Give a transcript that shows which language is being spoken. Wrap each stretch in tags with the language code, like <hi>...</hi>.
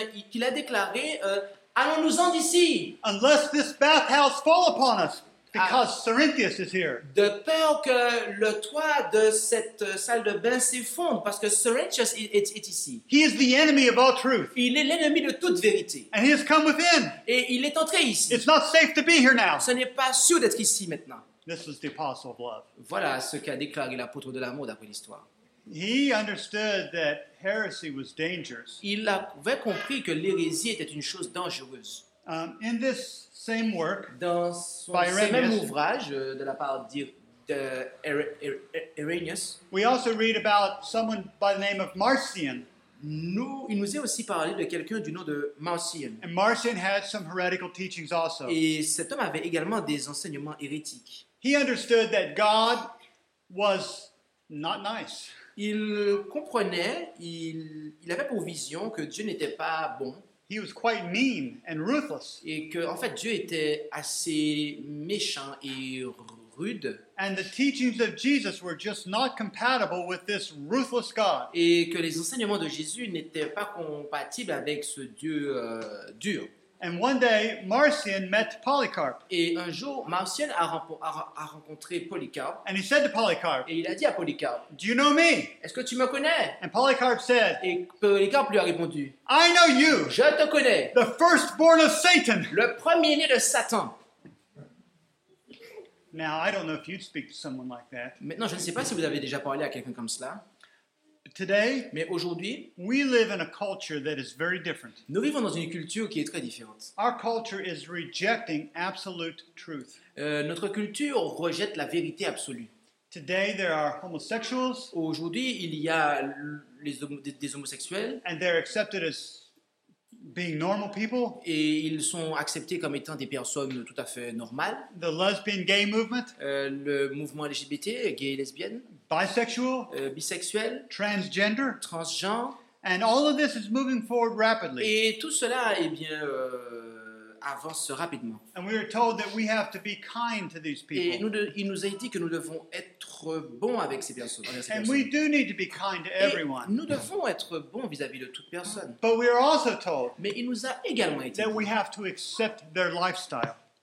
<fr>Qu'il a déclaré, allons-nous-en d'ici.</fr> <en>Unless this bathhouse fall upon us. Because Cerinthus is here.</en> <fr>De peur que le toit de cette salle de bain s'effondre parce que Cerinthus est ici.</fr> <en>He is the enemy of all truth.</en> <fr>Il est l'ennemi de toute vérité.</fr> <en>And he has come within.</en> <fr>Et il est entré ici.</fr> <en>It's not safe to be here now.</en> <fr>Ce n'est pas sûr d'être ici maintenant.</fr> <en>This is the apostle of love.</en> <fr>Voilà ce qu'a déclaré l'apôtre de l'amour d'après l'histoire.</fr> <en>He understood that heresy was dangerous.</en> <fr>Il avait compris que l'hérésie était une chose dangereuse.</fr> <en>In this same work,</en> <fr>dans ce même ouvrage de la part de Irenaeus,</fr> <en>we also read about someone by the name of Marcion.</en> <fr>il nous est aussi parlé de quelqu'un du nom de Marcion.</fr> <en>And Marcion had some heretical teachings also.</en> <fr>Et cet homme avait également des enseignements hérétiques.</fr> <en>He understood that God was not nice.</en> <fr>Il comprenait, il avait pour vision que Dieu n'était pas bon.</fr> <en>He was quite mean and ruthless.</en> <fr>Et que, en fait, Dieu était assez méchant et rude.</fr> <en>And the teachings of Jesus were just not compatible with this ruthless God.</en> <fr>Et que les enseignements de Jésus n'étaient pas compatibles avec ce Dieu dur.</fr> <en>And one day, Marcion met Polycarp.</en> <fr>Et un jour, Marcion a rencontré Polycarp.</fr> <en>And he said to Polycarp,</en> <fr>et il a dit à Polycarp,</fr> <en>do you know me?</en> <fr>Est-ce que tu me connais?</fr> <en>And Polycarp said,</en> <fr>et Polycarp lui a répondu,</fr> <en>I know you.</en> <fr>Je te connais.</fr> <en>The firstborn of Satan.</en> <fr>Le premier-né de Satan.</fr> <en>Now, I don't know if you'd speak to someone like that.</en> <fr>Maintenant, je ne sais pas si vous avez déjà parlé à quelqu'un comme cela.</fr> <en>Today,</en> <fr>mais aujourd'hui,</fr> <en>we live in a culture that is very different.</en> <fr>Nous vivons dans une culture qui est très différente.</fr> <en>Our culture is rejecting absolute truth.</en> <fr>Notre culture rejette la vérité absolue.</fr> <en>Today, there are homosexuals.</en> <fr>Aujourd'hui, il y a des homosexuels.</fr> <en>And they're accepted as being normal people.</en> <fr>Et ils sont acceptés comme étant des personnes tout à fait normales.</fr> <en>The lesbian gay movement.</en> <fr>Le mouvement LGBT, gay et lesbienne.</fr> <en>Bisexual,</en> <fr>bisexuel,</fr> <en>transgender,</en> <fr>transgenre,</fr> <en>and all of this is moving forward rapidly.</en> <fr>Et tout cela, eh bien, avance rapidement.</fr> <en>And we are told that we have to be kind to these people.</en> <fr>Et il nous a dit que nous devons être bons avec ces personnes.</fr> <en>And we do need to be kind to everyone.</en> <fr>Et nous devons être bons vis-à-vis de toute personne.</fr> <en>But we are also told.</en> <fr>Mais il nous a également été dit</fr> <en>that we have to accept their lifestyle.</en>